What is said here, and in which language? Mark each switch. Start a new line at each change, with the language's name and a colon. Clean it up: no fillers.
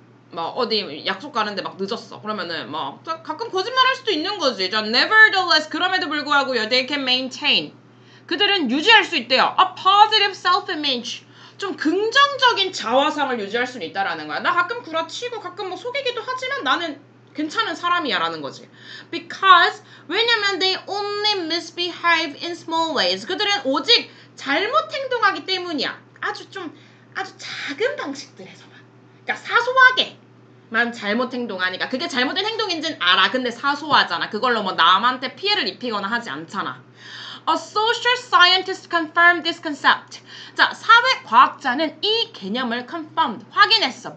Korean: 막 어디 약속 가는데 막 늦었어. 그러면은 막 가끔 거짓말할 수도 있는 거지.
English: 자, nevertheless,
Korean: 그럼에도 불구하고
English: they can maintain.
Korean: 그들은 유지할 수 있대요.
English: A positive self-image.
Korean: 좀 긍정적인 자화상을 유지할 수 있다라는 거야. 나 가끔 구라치고 가끔 뭐 속이기도 하지만 나는 괜찮은 사람이야 라는 거지.
English: Because,
Korean: 왜냐면
English: they only misbehave in small ways.
Korean: 그들은 오직 잘못 행동하기 때문이야. 아주 좀 아주 작은 방식들에서만. 그러니까 사소하게만 잘못 행동하니까. 그게 잘못된 행동인지는 알아. 근데 사소하잖아. 그걸로 뭐 남한테 피해를 입히거나 하지 않잖아.
English: A social scientist confirmed this concept.
Korean: 자, 사회 과학자는 이 개념을
English: confirmed,
Korean: 확인했어.